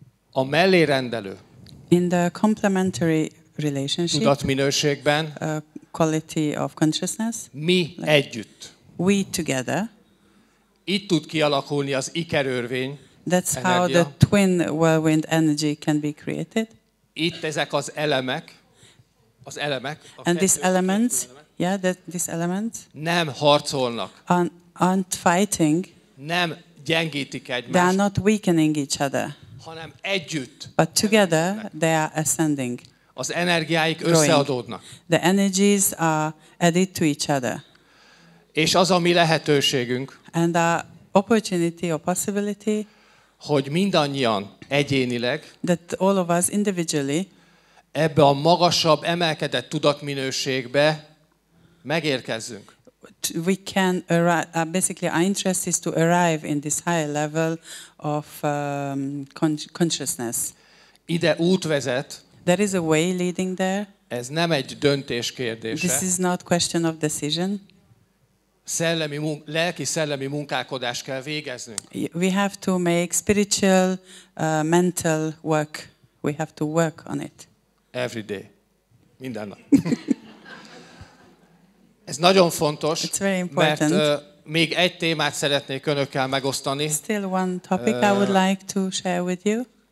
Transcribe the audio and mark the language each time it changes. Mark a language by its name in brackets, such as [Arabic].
[Hungarian] A mellé rendelő. [English] In the complementary relationship. [Hungarian] Tudat minőségben. [English] A quality of consciousness. [Hungarian] Mi like együtt. [English] We together. [Hungarian] Itt tud kialakulni az ikerörvény. [English] That's [Hungarian] energia. [English] How the twin whirlwind energy can be created. [Hungarian] Itt ezek az elemek. Az elemek. [English] And these elements. Yeah, that these elements. [Hungarian] Nem harcolnak. [English] Aren't fighting. [Hungarian] Nem gyengítik egymást. [English] They are not weakening each other. [Hungarian] Hanem együtt. [English] But together they are ascending. [Hungarian] Az energiáik összeadódnak. [English] The energies are added to each other. [Hungarian] És az a mi lehetőségünk. [English] And our opportunity or possibility. [Hungarian] Hogy mindannyian egyénileg. [English] That all of us individually. [Hungarian] Ebbe a magasabb emelkedett tudatminőségbe megérkezzünk. [English] We can arrive, basically our interest is to arrive in this higher level of consciousness. [Hungarian] Ide út vezet. [English] There is a way leading there. [Hungarian] Ez nem egy döntés kérdése. [English] This is not question of decision. [Hungarian] Szellemi lelki szellemi munkálkodást kell végeznünk. [English] We have to make spiritual mental work. We have to work on it. Every day. [Hungarian] Minden nap. Ez nagyon fontos, mert még egy témát szeretnék önökkel megosztani. [English] Still one topic I would like to share with you.